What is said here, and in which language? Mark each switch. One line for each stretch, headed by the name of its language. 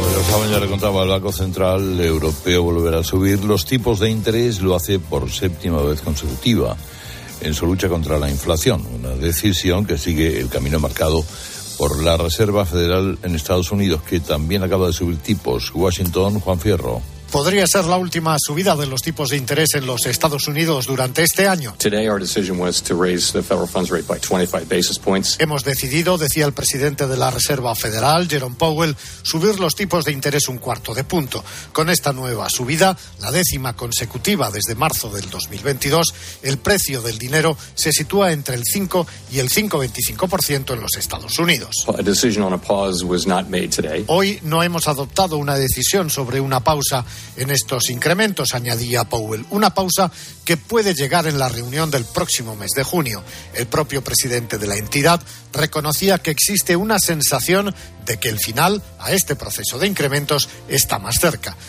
Spanish: Saben, ya le contaba, el Banco Central Europeo volverá a subir los tipos de interés, lo hace por séptima vez consecutiva en su lucha contra la inflación, una decisión que sigue el camino marcado por la Reserva Federal en Estados Unidos, que también acaba de subir tipos. Washington, Juan Fierro. Podría ser la última subida de los tipos de interés en los Estados Unidos durante este año.
English: Today our decision was to raise the federal funds rate by 25 basis points.
Spanish: Hemos decidido, decía el presidente de la Reserva Federal, Jerome Powell, subir los tipos de interés un cuarto de punto. Con esta nueva subida, la décima consecutiva desde marzo del 2022, el precio del dinero se sitúa entre el 5 y el 5,25% en los Estados Unidos.
English: A decision on a pause was not made today.
Spanish: Hoy no hemos adoptado una decisión sobre una pausa en estos incrementos, añadía Powell, una pausa que puede llegar en la reunión del próximo mes de junio. El propio presidente de la entidad reconocía que existe una sensación de que el final a este proceso de incrementos está más cerca.